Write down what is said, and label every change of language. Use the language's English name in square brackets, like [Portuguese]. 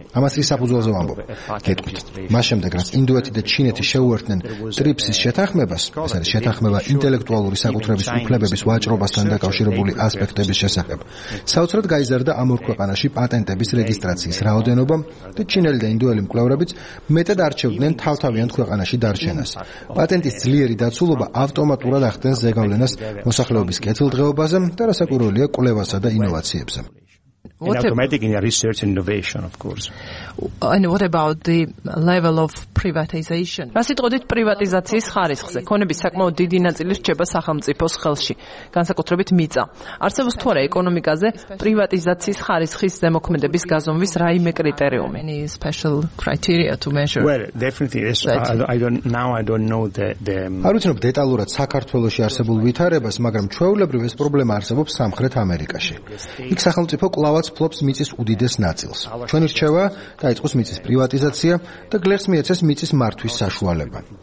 [Georgian] ამას ის საფუძველზე ვამბობ. გეტყვით, მას შემდეგ, რაც ინდოეთი და ჩინეთი შეუერთდნენ TRIPS-ის შეთანხმებას, ეს არის შეთანხმება ინტელექტუალური საკუთრების უფლებების ვაჭრობასთან დაკავშირებული ასპექტების შესახებ, საოცრად გაიზარდა ამ ორ ქვეყანაში პატენტების რეგისტრაციის რაოდენობა და ჩინელი და ინდოელი მკვლევრებიც მეტად არჩევდნენ თავთავიანთ ქვეყანაში დარჩენას. პატენტის ძლიერი დაცულობა ავტომატურად ახდენს ზეგავლენას მოსახლეობის კეთილდღეობაზე და რასაკვირველია კვლევასა და ინოვაციებზე. [English] And what about the level of privatization? [Georgian] Расიტყოდეთ პრივატიზაციის ხარისხზე. ქონების საკმაოდ დიდი ნაწილი რჩება სახელმწიფოს ხელში, განსაკუთრებით მიწა. არსებობს თუ არა ეკონომიკაზე პრივატიზაციის ხარისხის ზემოქმედების გაზომვის რაიმე კრიტერიუმი? [English] Any special criteria to measure? Well, definitely is. I don't know the [Georgian] არუჩნობ დეტალურად საქართველოსი არსებულ ვითარებას, მაგრამ ჩვეულებრივ ეს პრობლემა არსებობს სამხრეთ ამერიკაში. იქ სახელმწიფო კლავაც ფლობს მიწის უდიდეს ნაწილს. ჩვენ რჩევა დაიწყოს მიწის პრივატიზაცია და გლეხს მიეცეს მიწის მართვის საშუალება.